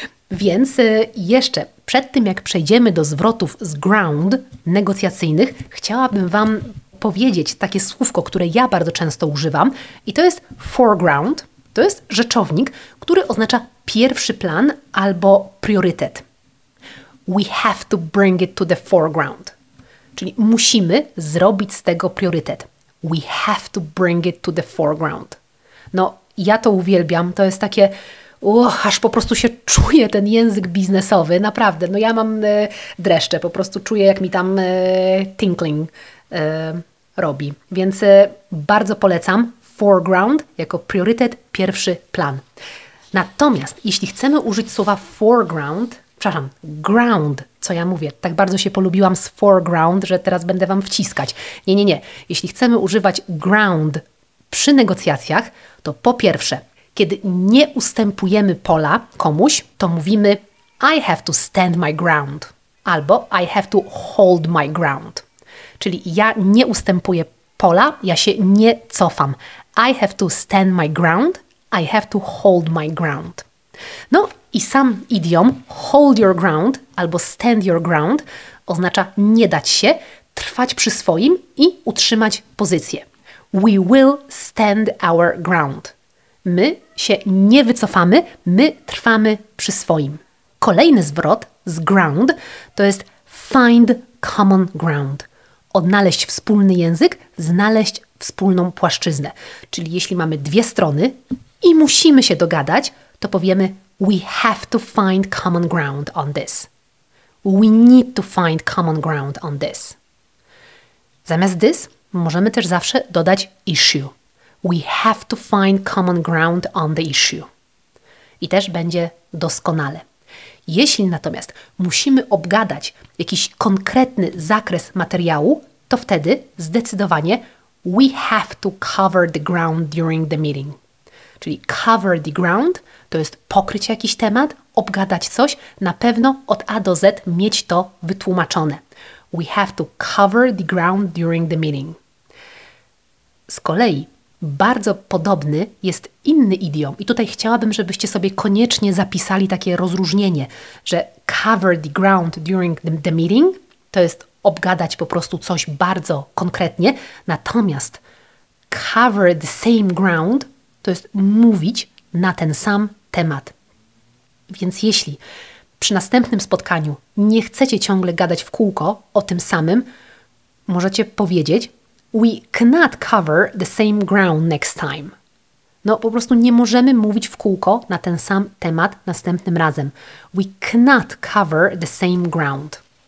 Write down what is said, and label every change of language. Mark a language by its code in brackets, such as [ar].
[pl] Więc jeszcze przed tym, jak przejdziemy do zwrotów z ground negocjacyjnych, chciałabym Wam powiedzieć takie słówko, które ja bardzo często używam i to jest foreground. To jest rzeczownik, który oznacza pierwszy plan albo priorytet. [en] We have to bring it to the foreground. [pl] Czyli musimy zrobić z tego priorytet. [en] We have to bring it to the foreground. [pl] No, ja to uwielbiam. To jest takie, aż po prostu się czuję ten język biznesowy. Naprawdę, no ja mam dreszcze. Po prostu czuję, jak mi tam tinkling robi. Więc bardzo polecam foreground jako priorytet, pierwszy plan. Natomiast jeśli chcemy użyć słowa foreground, przepraszam, ground, co ja mówię, tak bardzo się polubiłam z foreground, że teraz będę Wam wciskać. Nie, nie, nie. Jeśli chcemy używać ground przy negocjacjach, to po pierwsze, kiedy nie ustępujemy pola komuś, to mówimy [en] I have to stand my ground [pl] albo [en] I have to hold my ground. [pl] Czyli ja nie ustępuję pola, ja się nie cofam. [en] I have to stand my ground, I have to hold my ground. [pl] No i sam idiom hold your ground albo stand your ground oznacza nie dać się, trwać przy swoim i utrzymać pozycję. [en] We will stand our ground. [pl] My się nie wycofamy, my trwamy przy swoim. Kolejny zwrot z ground to jest find common ground. Odnaleźć wspólny język, znaleźć wspólną płaszczyznę. Czyli jeśli mamy dwie strony i musimy się dogadać, to powiemy [en] we have to find common ground on this. We need to find common ground on this. [pl] Zamiast this możemy też zawsze dodać issue. [en] We have to find common ground on the issue. [pl] I też będzie doskonale. Jeśli natomiast musimy obgadać jakiś konkretny zakres materiału, to wtedy zdecydowanie [en] we have to cover the ground during the meeting. [pl] Czyli cover the ground to jest pokryć jakiś temat, obgadać coś, na pewno od A do Z mieć to wytłumaczone. [en] We have to cover the ground during the meeting. [pl] Z kolei bardzo podobny jest inny idiom i tutaj chciałabym, żebyście sobie koniecznie zapisali takie rozróżnienie, że cover the ground during the meeting to jest obgadać po prostu coś bardzo konkretnie, natomiast cover the same ground to jest mówić na ten sam temat. Więc jeśli przy następnym spotkaniu nie chcecie ciągle gadać w kółko o tym samym, możecie powiedzieć [en] we cannot cover the same ground next time. [pl] No po prostu nie możemy mówić w kółko na ten sam temat następnym razem. [en] We cannot cover the same ground.